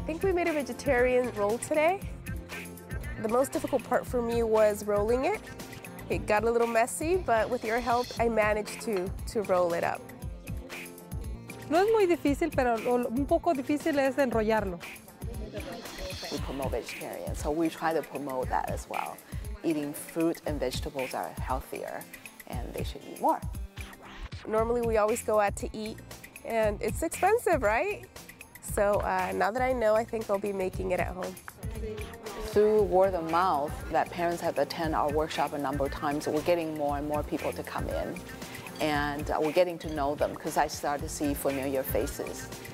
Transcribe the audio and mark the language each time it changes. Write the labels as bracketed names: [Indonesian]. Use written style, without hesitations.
[English] I think we made a vegetarian roll today. The most difficult part for me was rolling it. It got a little messy, but with your help, I managed to roll it up. [Spanish] No es muy difícil, pero un poco difícil es enrollarlo. [English] We promote vegetarian, so we try to promote that as well. Eating fruit and vegetables are healthier, and they should eat more. Normally we always go out to eat and it's expensive, right? So now that I know, I think I'll be making it at home. Through word of mouth that parents have attended our workshop a number of times, we're getting more and more people to come in and we're getting to know them because I started to see familiar faces.